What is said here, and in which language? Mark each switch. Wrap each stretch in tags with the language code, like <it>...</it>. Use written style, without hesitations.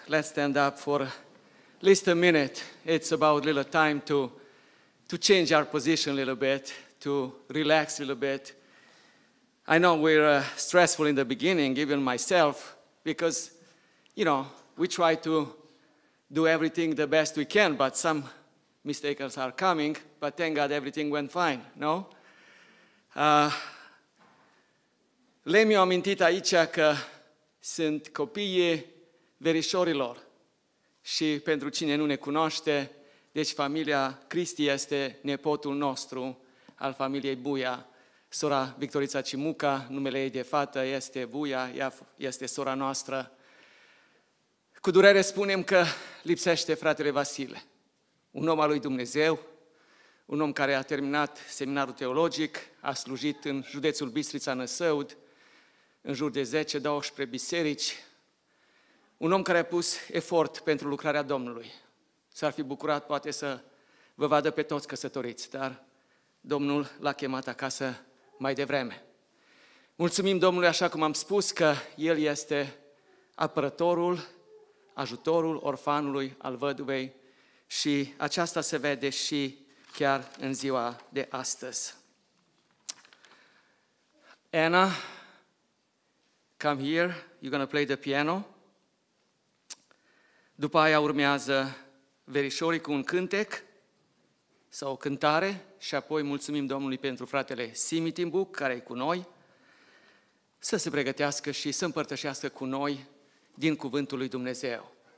<en>Let's stand up for at least a minute. It's about a little time to change our position a little bit, to relax a little bit. I know we're stressful in the beginning, even myself, because, you know, we try to do everything the best we can, but some mistakes are coming, but thank God everything went fine, no?</en> <ro>Lemio amintita iciac sunt copiii verișorilor și pentru cine nu ne cunoaște, deci familia Cristi este nepotul nostru al familiei Buia, sora Victorița Cimuca, numele ei de fată este Buia, ea este sora noastră. Cu durere spunem că lipsește fratele Vasile, un om al lui Dumnezeu, un om care a terminat seminarul teologic, a slujit în județul Bistrița-Năsăud, în jur de 10-12 biserici, un om care a pus efort pentru lucrarea Domnului. S-ar fi bucurat poate să vă vadă pe toți căsătoriți, dar Domnul l-a chemat acasă mai devreme. Mulțumim Domnului, așa cum am spus, că El este apărătorul, ajutorul orfanului, al văduvei și aceasta se vede și chiar în ziua de astăzi.</ro> <en>Anna, come here, you're going to play the piano.</en> <ro>După aia urmează verișorii cu un cântec sau o cântare și apoi mulțumim Domnului pentru fratele Simi Timbuk, care e cu noi, să se pregătească și să împărtășească cu noi din cuvântul lui Dumnezeu.</ro>